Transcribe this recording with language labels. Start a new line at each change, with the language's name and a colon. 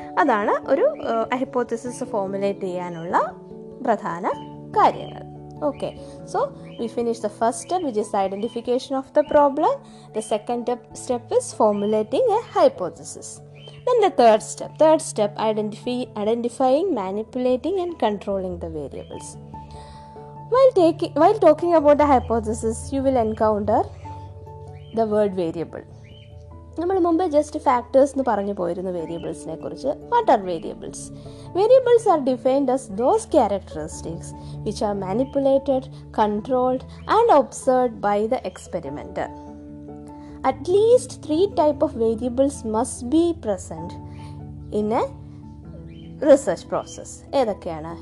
Malayalam: അതാണ് ഒരു hypothesis formulate ചെയ്യാനുള്ള പ്രധാന കാര്യങ്ങൾ.
English: Okay, so we finish the first step which is identification of the problem. The second step is formulating a hypothesis. Then the third step, identifying manipulating and controlling the variables. While talking about a hypothesis, you will encounter the word variable.
Malayalam: നമ്മൾ മുമ്പേ just factors എന്ന് പറഞ്ഞു പോയിരുന്നു വേരിയബിൾസിനെ കുറിച്ച്.
English: What are variables? Variables are defined as those characteristics which are manipulated, controlled and observed by the experiment. At least 3 type of variables must be present in a research process.
Malayalam: ഏതൊക്കെയാണ്?